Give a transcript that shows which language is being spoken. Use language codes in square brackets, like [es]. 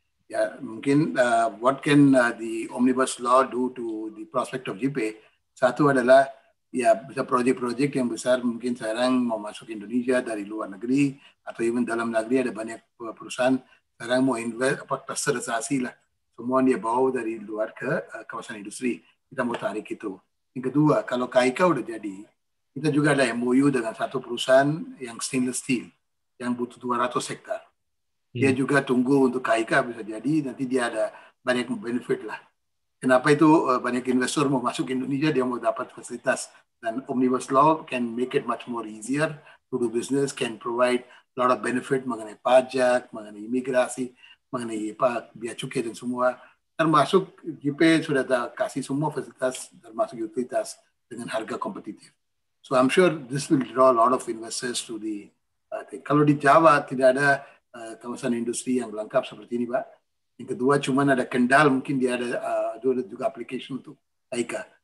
[id] Ya, mungkin [en] what can the omnibus law do to the prospect of JIP? [id] Satu adalah ya bisa proyek-proyek yang besar mungkin sekarang mau masuk Indonesia dari luar negeri atau even dalam negeri ada banyak perusahaan sekarang mau invest apa terserasi lah. Semua dia bawa dari luar ke kawasan industri. Kita mau tarik itu. Yang kedua, kalau KEK udah jadi, kita juga ada MOU dengan satu perusahaan yang stainless steel, yang butuh 200 hektar. Dia juga tunggu untuk KEK bisa jadi, nanti dia ada banyak benefit lah. Kenapa itu banyak investor mau masuk Indonesia, dia mau dapat fasilitas. Dan Omnibus Law [en] can make it much more easier to do business, can provide a lot of benefit [id] mengenai pajak, mengenai imigrasi, mengenai Pak biaya cukai dan semua, termasuk JIP sudah ada kasih semua fasilitas termasuk utilitas dengan harga kompetitif. [en] So I'm sure this will draw a lot of investors to the thing. [id] Kalau di Jawa tidak ada kawasan industri yang lengkap seperti ini, Pak. Yang kedua cuma ada Kendal, mungkin dia ada juga application untuk AIKA.